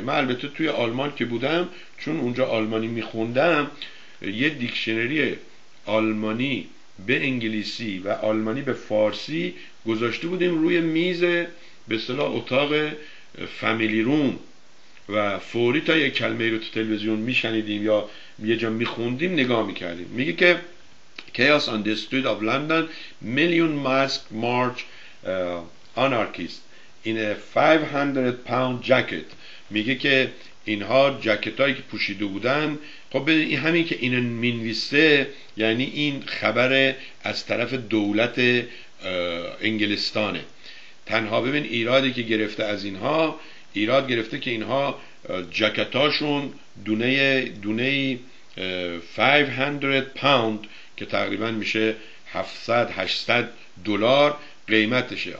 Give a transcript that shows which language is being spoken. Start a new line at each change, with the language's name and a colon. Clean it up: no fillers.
Persian: من البته توی آلمان که بودم، چون اونجا آلمانی میخوندم، یه دیکشنری آلمانی به انگلیسی و آلمانی به فارسی گذاشته بودیم روی میز به اصطلاح اتاق فامیلی روم، و فوری تا یه کلمه رو تو تلویزیون میشنیدیم یا یه جا میخوندیم نگاه میکردیم. میگه که
English: Chaos on the street of London, million mask march anarchist in a 500 pound jacket.
Persian: میگه که اینها جکت هایی که پوشیده بودن، خب همین که این مینویسه یعنی این خبر از طرف دولت انگلستانه. تنها ببین ایرادی که گرفته از اینها، ایراد گرفته که اینها جکتاشون دونه 500 پوند که تقریبا میشه 700 800 دلار قیمتشه.